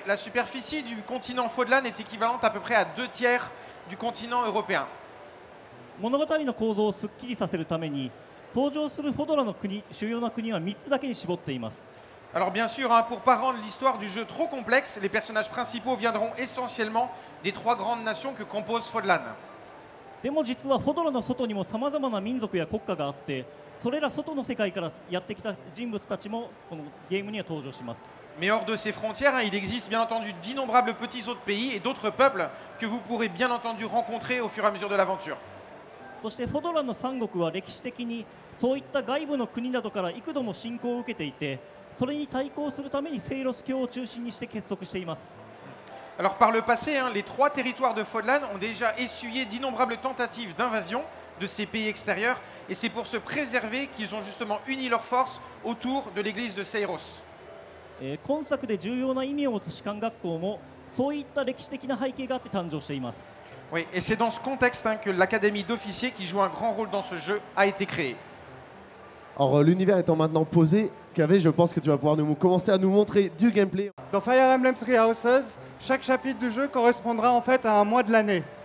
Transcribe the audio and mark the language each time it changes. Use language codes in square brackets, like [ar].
[fr] la superficie du continent Fodlan est équivalente à peu près à deux tiers du continent européen. [ja] 物語の構造をすっきりさせるために登場するフォドラの国、主要な国は3つだけに絞っています。 [fr] Alors bien sûr, hein, pour pas rendre l'histoire du jeu trop complexe, les personnages principaux viendront essentiellement des trois grandes nations que compose Fodlan. [ja] でも実はフォドラの外にも様々な民族や国家があって、それら外の世界からやってきた人物たちもこのゲームには登場します。 [fr] Mais hors de ces frontières, hein, il existe bien entendu d'innombrables petits autres pays et d'autres peuples que vous pourrez bien entendu rencontrer au fur et à mesure de l'aventure. [ja] そしてフォドラの三国は歴史的にそういった外部の国などから幾度も侵攻を受けていて、それに対抗するためにセイロス教を中心にして結束しています。 [fr] Alors par le passé, hein, les trois territoires de Fodlan ont déjà essuyé d'innombrables tentatives d'invasion de ces pays extérieurs, et c'est pour se préserver qu'ils ont justement uni leurs forces autour de l'église de Seiros. [ja] 今作で重要な意味を持つ士官学校もそういった歴史的な背景があって誕生しています。 [fr] Oui, et c'est dans ce contexte que l'académie d'officiers qui joue un grand rôle dans ce jeu a été créée. Alors, l'univers étant maintenant posé, Kave, je pense que tu vas pouvoir nous commencer à nous montrer du gameplay. Dans Fire Emblem Three Houses, chaque chapitre du jeu correspondra en fait à un mois de l'année.